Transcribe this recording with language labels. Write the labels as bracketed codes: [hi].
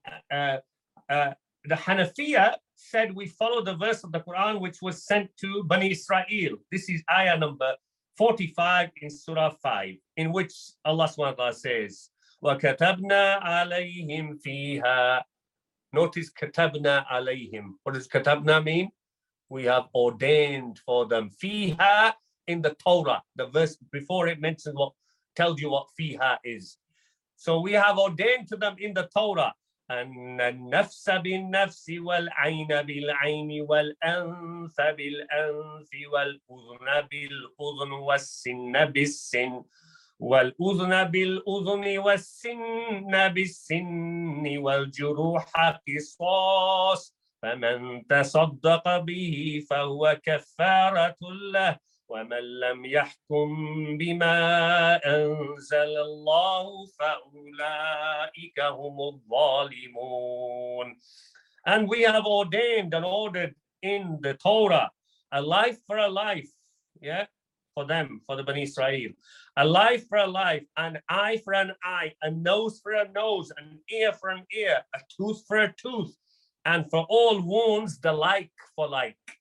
[en] The Hanafiya said, we follow the verse of the Quran which was sent to Bani Israel. This is ayah number 45 in Surah 5, in which Allah subhanahu wa ta'ala says, [ar] وَكَتَبْنَا عَلَيْهِمْ فِيهَا. [en] Notice [ar] كَتَبْنَا عَلَيْهِمْ. [en] What does كَتَبْنَا mean? We have ordained for them. فِيهَا in the Torah. The verse before it mentions what tells you what fiha is. So we have ordained to them in the Torah, [ar] أَنَّ النَّفْسَ بِالنَّفْسِ وَالْعَيْنَ بِالْعَيْنِ وَالْأَنْفَ بِالْأَنْفِ وَالْأُذْنَ بِالْأُذْنِ وَالسِّنَّ بِالسِّنِّ وَالْأُذْنَ بِالْأُذْنِ وَالسِّنَّ بِالسِّنِّ وَالْجُرُوحَ قِصَاصٌ فَمَنْ تَصَدَّقَ بِهِ فَهُوَ كَفَّارَةٌ لَهُ وَمَنْ لَمْ يَحْكُمْ بِمَا أَنْزَلَ اللَّهُ فَأُولَٰئِكَ هُمُ الظَّالِمُونَ. [en] And we have ordained and ordered in the Torah a life for a life, yeah, for them, for the Bani Israel. A life for a life, an eye for an eye, a nose for a nose, an ear for an ear, a tooth for a tooth, and for all wounds, the like for like.